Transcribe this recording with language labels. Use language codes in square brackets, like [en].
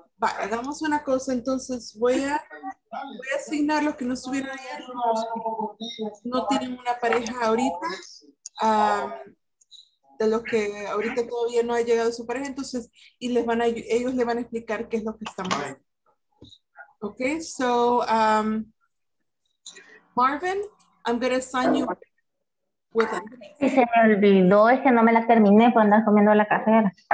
[es] Va, hagamos una cosa, entonces voy a asignar los que no estuvieron ayer, no tienen una pareja ahorita, de los que ahorita todavía no ha llegado su pareja, entonces, y ellos le van a explicar qué es lo que estamos haciendo. [en] Ok, so, Marvin, I'm going to assign you with Andrés. [es] Sí, se me olvidó, es que no me la terminé por andar comiendo la carrera.